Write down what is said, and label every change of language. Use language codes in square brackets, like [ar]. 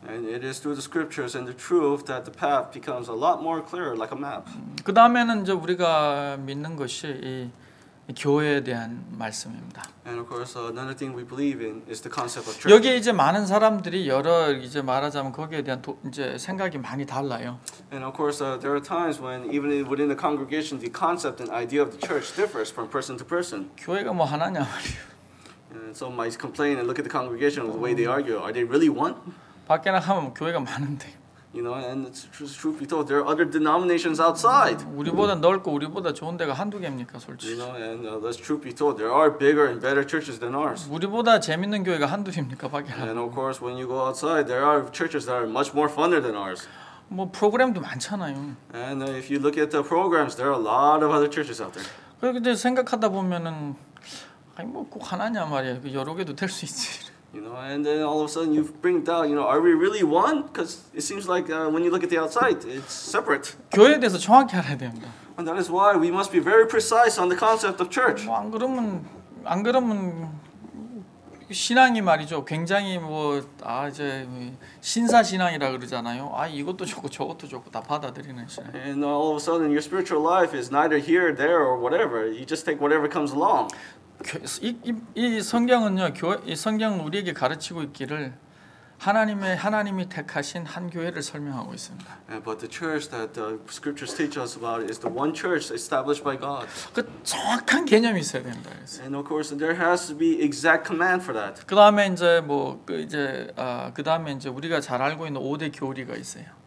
[en] And it is through the scriptures and the truth that the path becomes a lot more clear, like a map. [ko] 그 다음에는 이제 우리가 믿는 것이 이 교회에 대한 말씀입니다. [en] And of course, another thing we believe in is the concept of church. [ko] 여기 이제 많은 사람들이 여러 이제 말하자면 거기에 대한 이제 생각이 많이 달라요. [en] And of course, there are times when even within the congregation, the concept and idea of the church differs from person to person. [ko] 교회가 뭐 하나냐 말이에요. [en] And some might complain and look at the congregation the way they argue. Are they really one? [ko] 밖에 나가면 교회가 많은데. [en] You know, and it's true. We thought there are other denominations outside. [ko] 우리보다 넓고 우리보다 좋은 데가 한두 개입니까, 솔직히? [en] You know, and that's true. We thought there are bigger and better churches than ours. [ko] 우리보다 재밌는 교회가 한두 개입니까, 밖에? [en] And of course, when you go outside, there are churches that are much more funner than ours. [ko] 뭐 프로그램도 많잖아요. [en] And if you look at the programs, there are a lot of other churches out there. [ko] 그런데 생각하다 보면은, 아니 뭐 꼭 하나냐 말이야. 여러 개도 될 수 있지. [en] You know, and then all of a sudden you bring down. You know, are we really one? Because it seems like when you look at the outside, it's separate. [ko] 교회에 대해서 정확히 알아야 됩니다. [en] And that is why we must be very precise on the concept of church. [ko] 뭐 안 그러면 신앙이 말이죠. 굉장히 뭐 아 이제 신사 신앙이라 그러잖아요. 아 이것도 좋고 저것도 좋고 다 받아들이는 신앙. [en] And all of a sudden your spiritual life is neither here, there, or whatever. You just take whatever comes along. [ko] 이 성경은요, 이 성경 우리에게 가르치고 있기를 하나님이 택하신 한 교회를 설명하고 있습니다. [en] But the church that the scriptures teach us about is the one church established by God. [ko] 그 정확한 개념이 있어야 된다. [en] And of course, there has to be exact command for that. [ko] 그다음에 이제 뭐 이제 그다음에 이제 우리가 잘 알고 있는 5대 교리가 있어요.